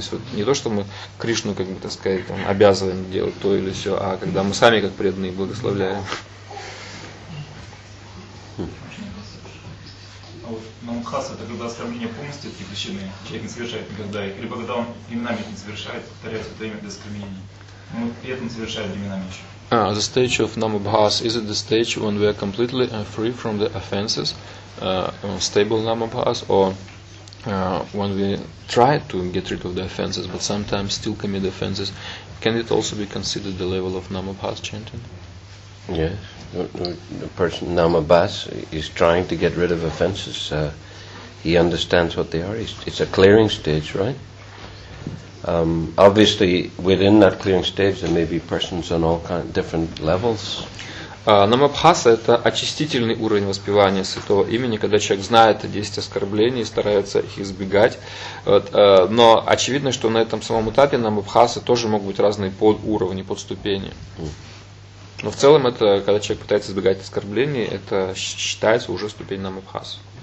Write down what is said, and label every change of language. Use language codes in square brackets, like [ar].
[ru] То есть вот не то, что мы Кришну, как бы, так сказать, там, обязываем делать то или все, а когда мы сами как преданные благословляем. А вот намхас — это когда оскорбления полностью отягощены, человек не совершает никогда, или когда он именами не совершает, повторяет это имя без оскорбления, но при этом совершает именами еще. [en] The stage of Namabhas, is it the stage when we are completely free from the offenses, stable Namabhas, or when we try to get rid of the offenses but sometimes still commit offenses, can it also be considered the level of Namabhas chanting? Yes, the person Namabhas is trying to get rid of offenses, he understands what they are, it's a clearing stage, right? Obviously, within that clearing stage, there may be persons on all kind of different levels. [ru] Намабхаса – это очистительный уровень воспевания святого имени, когда человек знает о 10 оскорблений и старается их избегать. Вот, но очевидно, что на этом самом этапе намабхаса тоже могут быть разные подуровни, подступени. Но в целом, это когда человек пытается избегать оскорблений, это считается уже ступень намабхаса.